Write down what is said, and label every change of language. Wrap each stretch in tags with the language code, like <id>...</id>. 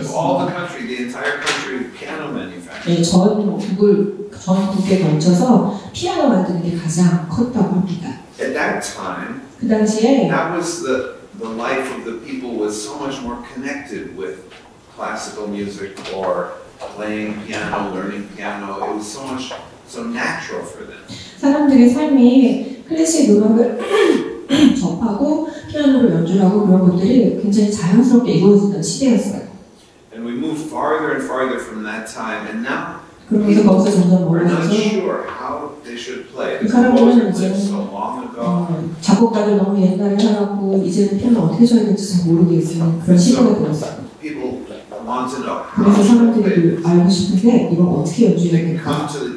<en>Of all the country, the entire country, piano manufacturing.</en> <ko>네, 전 국에 걸쳐서 피아노 만드는 게 가장 컸다고 합니다.</ko> <en>At that time,</en> <ko>그 당시에,</ko> <en>that was the life of the people was so much more connected with classical music or playing piano, learning piano. It was so much so natural for them.</en> <ko>사람들의 삶이 클래식 음악을 접하고 피아노를 연주하고 그런 것들이 굉장히 자연스럽게 이루어지던 시대였어요.</ko> <en>And we moved farther and farther from that time, and now.</en> <ko>그러면서 거기서 점점 몰라서 그 사람들은 이제 작곡가들 너무 옛날에 살았고 이제는 피아노 어떻게 쳐야 될지 잘 모르겠어요. 그런 시대가 되었어요. 그래서 사람들이 알고 싶은데 이걸 어떻게 연주해야 될까?</ko>